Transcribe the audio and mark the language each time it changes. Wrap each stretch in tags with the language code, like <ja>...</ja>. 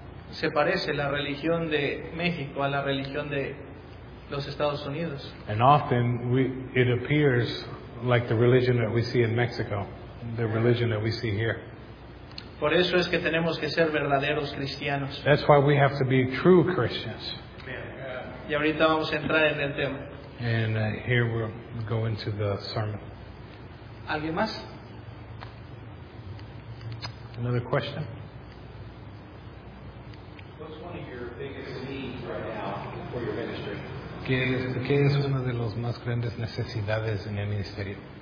<es>Se parece la religión de México a la religión de los Estados Unidos.</es> <en>And often it appears like the religion that we see in Mexico, the religion that we see here.</en> <es>Por eso es que tenemos que ser verdaderos cristianos.</es> <en>That's why we have to be true Christians.</en> <es>Y ahorita vamos a entrar en el tema.</es> <en>And here we'll go into the sermon.</en> <es>¿Alguien más?</es> <en>Another question? What's one of your biggest needs right now for your ministry?</en> <es>¿Qué es una de las más grandes necesidades en el ministerio?</es>